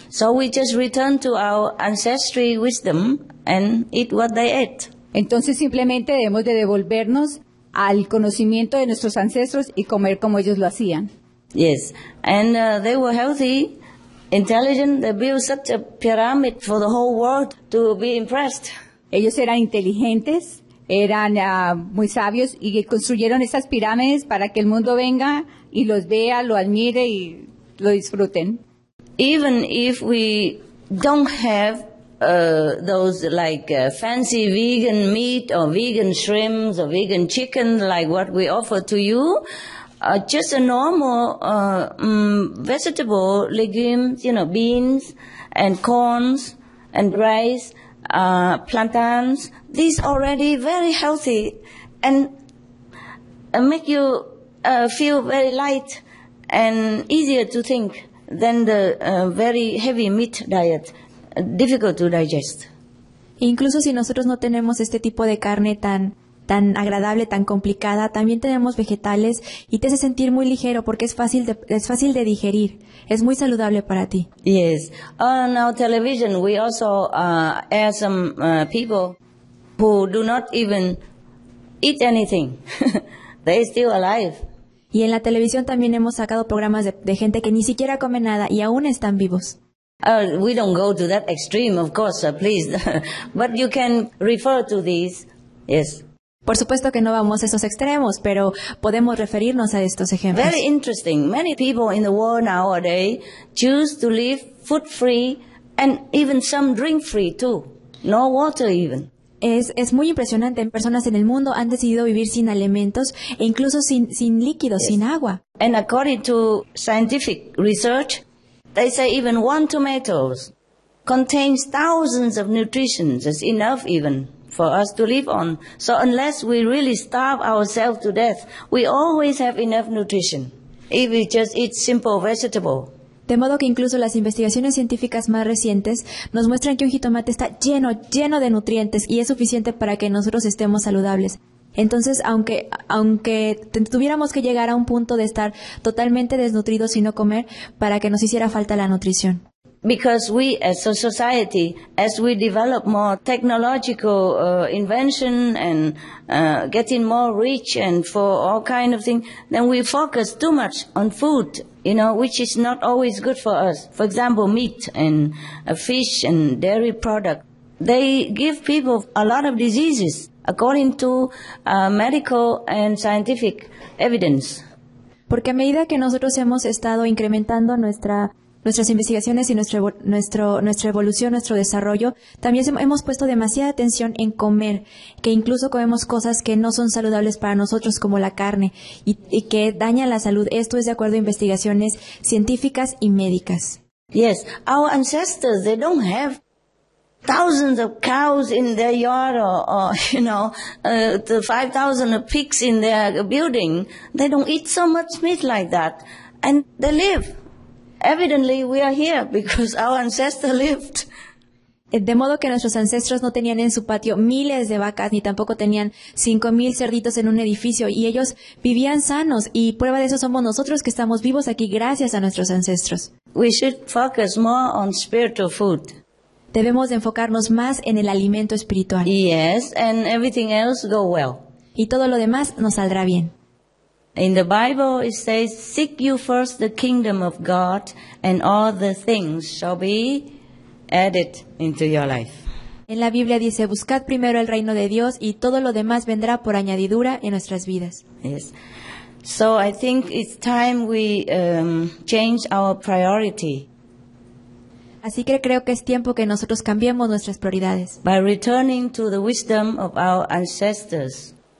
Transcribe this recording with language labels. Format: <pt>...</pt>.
<en>So we just returned to our ancestry wisdom and eat what they ate.</en> <es>Entonces simplemente debemos de devolvernos al conocimiento de nuestros ancestros y comer como ellos lo hacían.</es> <en>Yes, and they were healthy, intelligent. They built such a pyramid for the whole world to be impressed.</en> <es>Ellos eran inteligentes, eran muy sabios y construyeron esas pirámides para que el mundo venga y los vea, lo admire y lo disfruten.</es> <en>Even if we don't have those like fancy vegan meat or vegan shrimps or vegan chicken like what we offer to you, just a normal vegetable, legumes, you know, beans and corns and rice, plantains, these already very healthy and make you feel very light and easier to think than the very heavy meat diet. Difficult to digest.</en> <es>Incluso si nosotros no tenemos este tipo de carne tan agradable, tan complicada, también tenemos vegetales y te hace sentir muy ligero porque es fácil de digerir. Es muy saludable para ti.</es> <en>Yes. On our television, we also air some people who do not even eat anything. They are still alive.</en> <es>Y en la televisión también hemos sacado programas de gente que ni siquiera come nada y aún están vivos.</es> <en>We don't go to that extreme, of course, please. But you can refer to these, yes.</en> <es>Por supuesto que no vamos a esos extremos, pero podemos referirnos a estos ejemplos.</es> <en>Very interesting. Many people in the world nowadays choose to live food-free and even some drink-free too. No water even.</en> <es>Es muy impresionante. Personas en el mundo han decidido vivir sin alimentos e incluso sin líquidos, yes. Sin agua.</es> <en>And according to scientific research, they say even one tomato contains thousands of nutrition. It's enough even for us to live on. So unless we really starve ourselves to death, we always have enough nutrition if we just eat simple vegetable.</en> <es>De modo que incluso las investigaciones científicas más recientes nos muestran que un jitomate está lleno de nutrientes y es suficiente para que nosotros estemos saludables. Entonces, aunque tuviéramos que llegar a un punto de estar totalmente desnutridos y no comer, para que nos hiciera falta la nutrición.</es> <en>Because we as a society, as we develop more technological invention and getting more rich and for all kind of things, then we focus too much on food, you know, which is not always good for us. For example, meat and fish and dairy products. They give people a lot of diseases, according to medical and scientific evidence.</en> <es>Porque a medida que nosotros hemos estado incrementando nuestras investigaciones y nuestra evolución, nuestro desarrollo, también hemos puesto demasiada atención en comer, que incluso comemos cosas que no son saludables para nosotros, como la carne, y que dañan la salud. Esto es de acuerdo a investigaciones científicas y médicas.</es> <en>Yes, our ancestors, they don't have thousands of cows in their yard or 5,000 pigs in their building, they don't eat so much meat like that. And they live. Evidently, we are here because our ancestors lived.</en> <es>De modo que nuestros ancestros no tenían en su patio miles de vacas, ni tampoco tenían 5,000 cerditos en un edificio, y ellos vivían sanos, y prueba de eso somos nosotros que estamos vivos aquí gracias a nuestros ancestros.</es> <en>We should focus more on spiritual food.</en> <es>Debemos de enfocarnos más en el alimento espiritual.</es> <en>Yes, and everything else go well.</en> <es>Y todo lo demás nos saldrá bien.</es> <en>In the Bible it says, seek you first the kingdom of God, and all the things shall be added into your life.</en> <es>En la Biblia dice, buscad primero el reino de Dios y todo lo demás vendrá por añadidura en nuestras vidas.</es> <en>Yes. So I think it's time we change our priority.</en> <es>Así que creo que es tiempo que nosotros cambiemos nuestras prioridades.</es> <en>By returning to the wisdom of our ancestors.</en>